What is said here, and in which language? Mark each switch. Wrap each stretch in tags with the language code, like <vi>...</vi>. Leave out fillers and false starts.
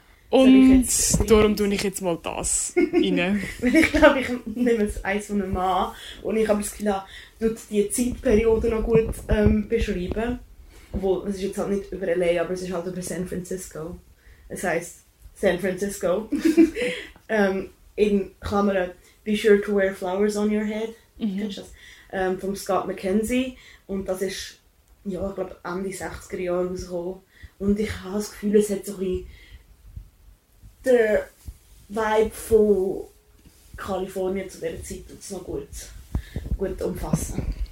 <de>Und darum tue ich jetzt mal das rein. Weil ich glaube, ich nehme es eins von einem Mann und ich habe das Gefühl, dass die Zeitperiode noch gut beschreiben. Obwohl, es ist jetzt halt nicht über LA, aber es ist halt über San Francisco. Es heisst San Francisco. in Klammern,</de> <en>be sure to wear flowers on your head.</en> <de>Kennst du das? Von Scott McKenzie. Und das ist, ja, ich glaube, Ende 60er Jahre rausgekommen. Und ich habe das Gefühl, es hat so ein der Vibe von Kalifornien zu dieser Zeit ist noch gut umfassen.</de>